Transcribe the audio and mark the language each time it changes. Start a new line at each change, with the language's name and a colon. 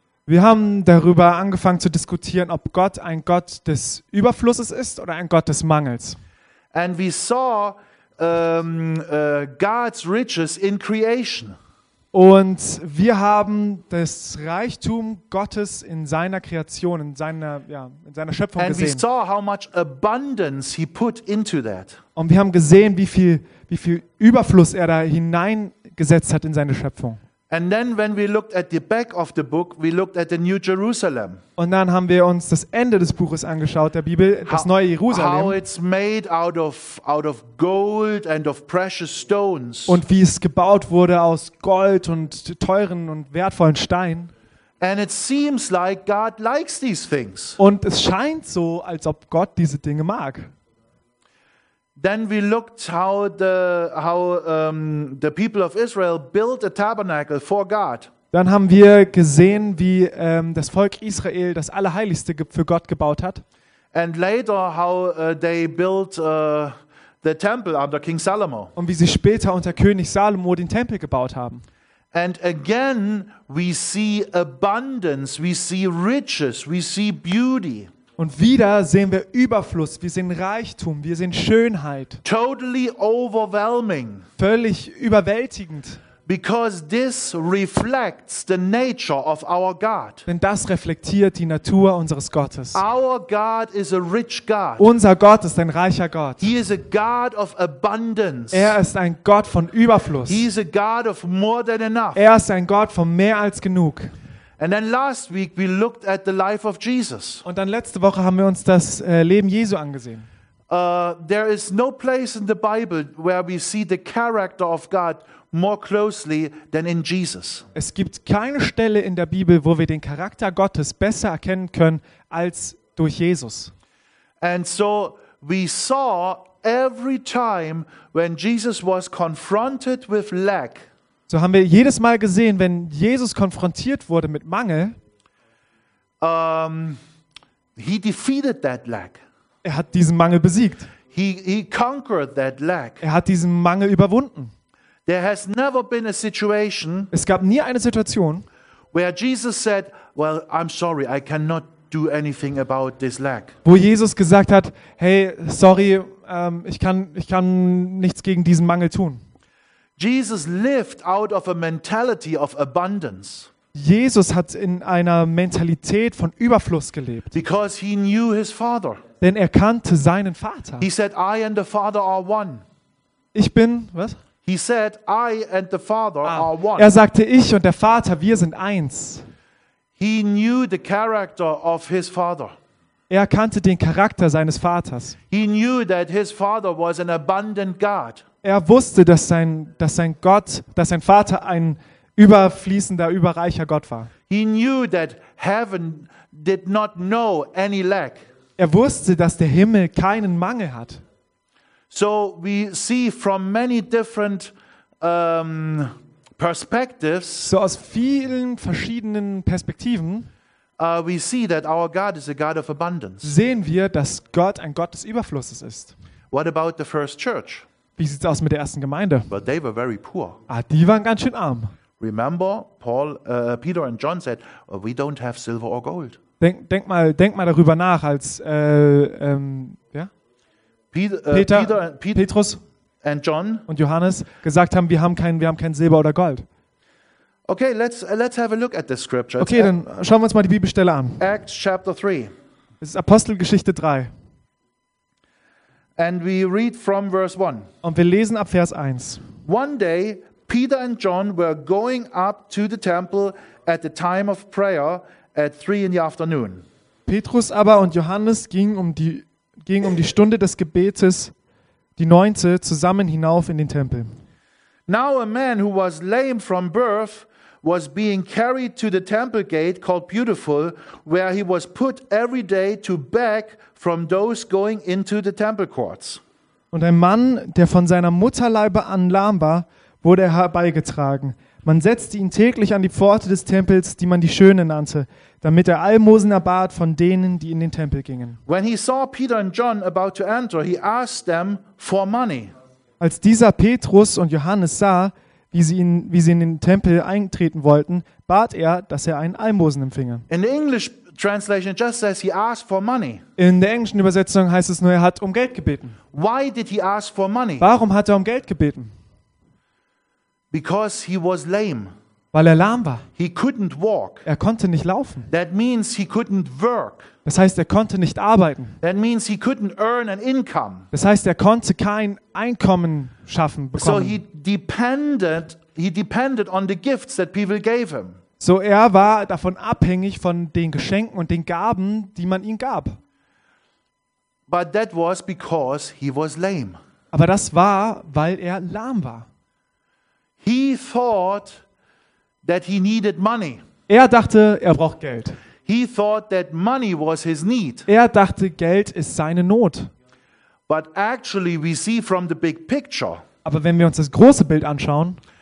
German: Wir haben darüber angefangen zu diskutieren, ob Gott ein Gott des Überflusses ist oder ein Gott des Mangels.
English: And we saw God's riches in creation.
German: Und wir haben das Reichtum Gottes in seiner Kreation, in seiner Schöpfung
English: and
German: gesehen.
English: We saw how much abundance he put into that.
German: Und wir haben gesehen, wie viel Überfluss er da hineingesetzt hat in seine Schöpfung.
English: And then when we looked at the back of the book, we looked at the New Jerusalem.
German: Und dann haben wir uns das Ende des Buches angeschaut, der Bibel, das neue Jerusalem.
English: How it's made out of gold and of precious stones.
German: Und wie es gebaut wurde aus Gold und teuren und wertvollen Steinen.
English: And it seems like God likes these things.
German: Und es scheint so, als ob Gott diese Dinge mag.
English: Then we looked how the people of Israel built a tabernacle for God.
German: Dann haben wir gesehen, wie das Volk Israel das Allerheiligste für Gott gebaut hat.
English: And later how they built the temple under King Solomon.
German: Und wie sie später unter König Salomo den Tempel gebaut haben.
English: And again we see abundance, we see riches, we see beauty.
German: Und wieder sehen wir Überfluss, wir sehen Reichtum, wir sehen Schönheit.
English: Totally overwhelming.
German: Völlig überwältigend.
English: Because this reflects the nature of our God.
German: Denn das reflektiert die Natur unseres Gottes.
English: Our God is a rich God.
German: Unser Gott ist ein reicher Gott.
English: He is a God of abundance.
German: Er ist ein Gott von Überfluss.
English: He is a God of more than enough.
German: Er ist ein Gott von mehr als genug.
English: And then last week we looked at the life of Jesus.
German: Und dann letzte Woche haben wir uns das Leben Jesu angesehen.
English: There is no place in the Bible where we see the character of God more closely than in Jesus.
German: Es gibt keine Stelle in der Bibel, wo wir den Charakter Gottes besser erkennen können als durch Jesus.
English: And so we saw every time when Jesus was confronted with lack.
German: So haben wir jedes Mal gesehen, wenn Jesus konfrontiert wurde mit Mangel,
English: he defeated that lack.
German: Er hat diesen Mangel besiegt.
English: He conquered that lack.
German: Er hat diesen Mangel überwunden.
English: There has never been a situation,
German: es gab nie eine Situation,
English: where Jesus said, well, I'm sorry, I cannot do anything about this lack.
German: Wo Jesus gesagt hat, hey, sorry, ich kann nichts gegen diesen Mangel tun.
English: Jesus lived out of a mentality of abundance.
German: Jesus hat in einer Mentalität von Überfluss gelebt.
English: Because he knew his father.
German: Denn er kannte seinen Vater.
English: He said, I and the Father are one.
German: Ich bin, was?
English: He said, I and the Father are one.
German: Er sagte, ich und der Vater, wir sind eins.
English: He knew the character of his father.
German: Er kannte den Charakter seines Vaters.
English: He knew that his father was an abundant God.
German: Er wusste, dass sein Vater ein überfließender, überreicher Gott war.
English: He knew that heaven did not know any lack.
German: Er wusste, dass der Himmel keinen Mangel hat.
English: So we see from many different perspectives.
German: So aus vielen verschiedenen Perspektiven.
English: We see that our God is a God of abundance.
German: Sehen wir, dass Gott ein Gott des Überflusses ist.
English: What about the first church?
German: Wie sieht's aus mit der ersten Gemeinde?
English: But they were very poor.
German: Ah, die waren ganz schön arm.
English: Remember, Peter and John said, we don't have silver or gold.
German: Denk mal darüber nach, als ja? Petrus
English: and John
German: und Johannes gesagt haben, wir haben kein Silber oder Gold.
English: Okay, let's have a look at the scripture.
German: Okay, dann schauen wir uns mal die Bibelstelle an.
English: Acts chapter 3.
German: Es ist Apostelgeschichte 3.
English: And we read from verse 1.
German: Und wir lesen ab Vers 1.
English: One day Peter and John were going up to the temple at the time of prayer at 3 in the afternoon.
German: Petrus aber und Johannes gingen um die Stunde des Gebetes, die neunte, zusammen hinauf in den Tempel.
English: Now a man who was lame from birth was being carried to the temple gate called Beautiful, where he was put every day to beg from those going into the temple courts.
German: Und ein Mann, der von seiner Mutterleibe an lahm war, wurde er herbeigetragen. Man setzte ihn täglich an die Pforte des Tempels, die man die Schöne nannte, damit er Almosen erbat von denen, die in den Tempel gingen.
English: When he saw Peter and John about to enter, he asked them for money.
German: Als dieser Petrus und Johannes sah, wie sie in den Tempel eintreten wollten, bat er, dass er einen Almosen empfinge.
English: In the English translation just says he asked for money.
German: In der englischen Übersetzung heißt es nur, er hat um Geld gebeten.
English: Why did he ask for money?
German: Warum hat er um Geld gebeten?
English: Because he was lame.
German: Weil er lahm war.
English: He couldn't walk.
German: Er konnte nicht laufen.
English: That means he couldn't work.
German: Das heißt, er konnte nicht arbeiten.
English: That means he couldn't earn an income.
German: Das heißt, er konnte kein Einkommen schaffen bekommen.
English: So he depended on the gifts that people gave him.
German: So er war davon abhängig von den Geschenken und den Gaben, die man ihm gab.
English: But that was because he was lame.
German: Aber das war, weil er lahm war.
English: He thought that he needed money.
German: Er dachte, er braucht Geld.
English: He thought that money was his need.
German: Er dachte, Geld ist seine Not.
English: But actually we see from the big picture.
German: Aber wenn wir uns das große Bild anschauen,